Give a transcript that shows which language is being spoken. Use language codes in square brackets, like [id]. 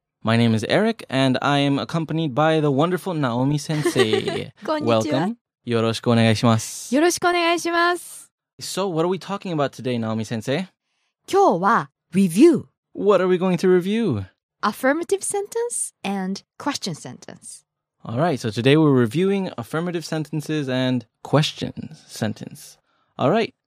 [en] My name is Eric, and I am accompanied by the wonderful Naomi-sensei. Welcome. [ja] よろしくお願いします。よろしくお願いします。 [en] So, what are we talking about today, Naomi-sensei? [ja] 今日は review. [en] What are we going to review? Affirmative sentence and question sentence. All right, so today we're reviewing affirmative sentences and question sentence. All right.